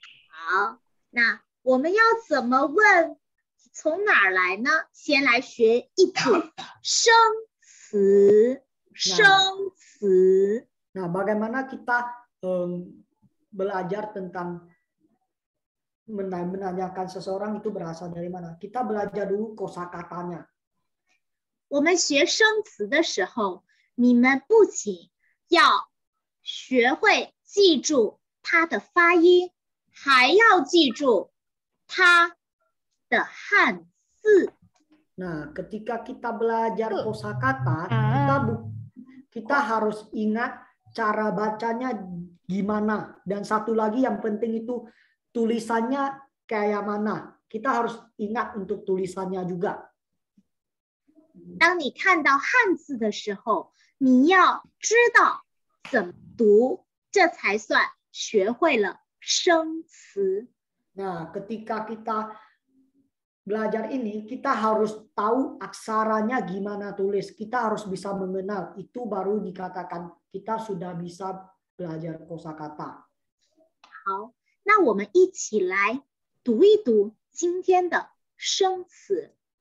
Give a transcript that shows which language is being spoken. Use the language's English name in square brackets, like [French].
[Chinese] 好那我们要怎么问从哪儿来呢先来学一组生词生词 [Indonesian] nah bagaimana kita belajar tentangmenanyakan seseorang itu berasal dari mana. Kita belajar dulu kosakatanya. [Chinese] 我们学生词的时候，你们不仅要学会记住它的发音，还要记住它的汉字。 [Indonesian] Nah, ketika kita belajar kosakata, kita harus ingat cara bacanya gimana. Dan satu lagi yang penting itu,tulisannya kayak mana? Kita harus ingat untuk tulisannya juga. [Chinese] 当你看到汉字的时候，你要知道怎么读，这才算学会了生词。 [Indonesian] Nah, ketika kita belajar ini, kita harus tahu aksaranya gimana tulis. Kita harus bisa mengenal. Itu baru dikatakan kita sudah bisa belajar kosakata. [Chinese] 好。那我们一起来读一读今天的生词。